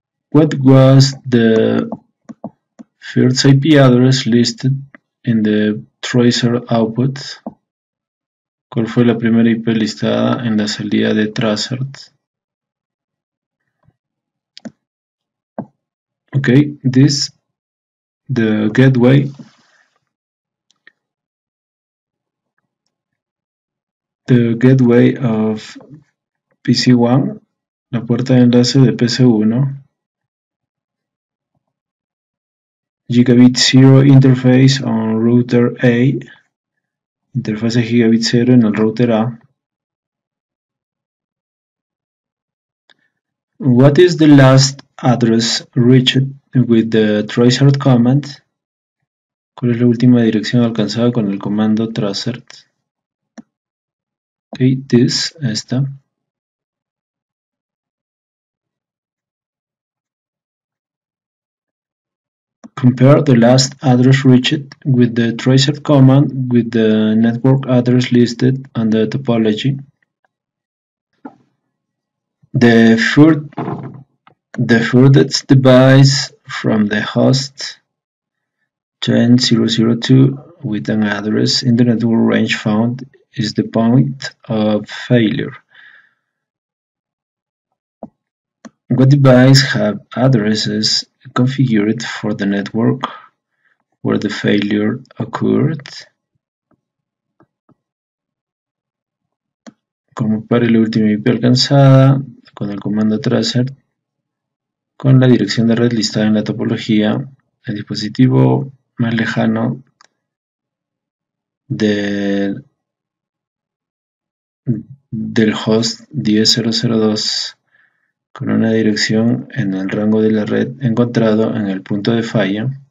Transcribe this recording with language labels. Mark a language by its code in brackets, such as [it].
[en] What was the first IP address listed in the tracer output? [es] ¿Cuál fue la primera IP listada en la salida de Traceroute? [en] Okay, this the gateway of PC1, [es] la puerta de enlace de PC1, [en] gigabit 0 interface on router A, [es] interfase gigabit 0 en el router A. [en] What is the last address reached with the Traceroute command? [es] ¿Cuál es la última dirección alcanzada con el comando Traceroute? [en] Okay, this, esta. Compare the last address reached with the Traceroute command with the network address listed on the topology. The furthest device from the host 10.0.0.2 with an address in the network range found is the point of failure. What device have addresses configured for the network where the failure occurred? [es] Como para la última IP alcanzada con el comando tracer, con la dirección de red listada en la topología, el dispositivo más lejano del host 10.0.0.2 con una dirección en el rango de la red encontrado en el punto de falla.